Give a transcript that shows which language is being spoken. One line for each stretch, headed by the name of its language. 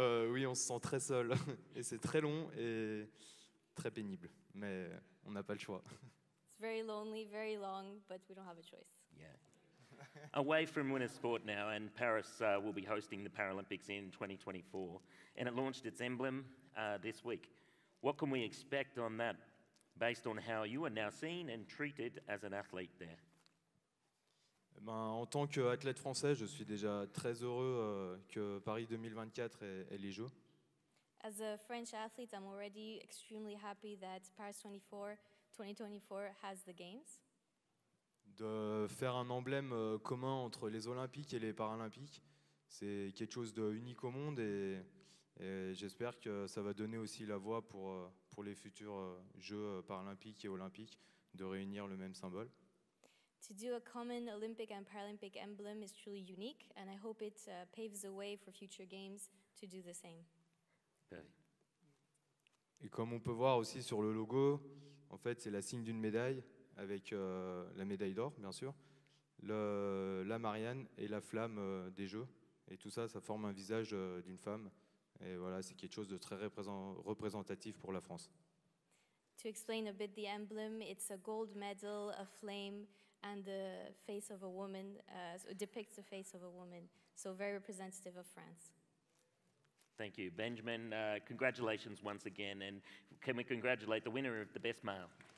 French: oui, on se sent très seul et c'est très long et très pénible, mais on n'a pas le choix.
English: It's very lonely, very long, but we don't have a choice. Yeah. Away from winter sport now, and Paris will be hosting the Paralympics in 2024, and it launched its emblem this week. What can we expect on that, based on how you are now seen and treated as an athlete there?
French: Ben, en tant qu'athlète français, je suis déjà très heureux que Paris 2024 ait les Jeux.
English: As a French athlete, I'm already extremely happy that Paris 2024 has the Games.
French: De faire un emblème commun entre les Olympiques et les Paralympiques, c'est quelque chose d'unique au monde et j'espère que ça va donner aussi la voie pour les futurs Jeux Paralympiques et Olympiques de réunir le même symbole.
English: To do a common Olympic and Paralympic emblem is truly unique, and I hope it paves the way for future games to do the same.
French: Et comme on peut voir aussi sur le logo, en fait, c'est la signe d'une médaille, avec la médaille d'or, bien sûr, la Marianne et la flamme des Jeux. Et tout ça, ça forme un visage d'une femme. Et voilà, c'est quelque chose de très représentatif pour la France.
English: To explain a bit the emblem, it's a gold medal, a flame, and the face of a woman, so it depicts the face of a woman. So very representative of France. Thank you. Benjamin, congratulations once again. And can we congratulate the winner of the best male?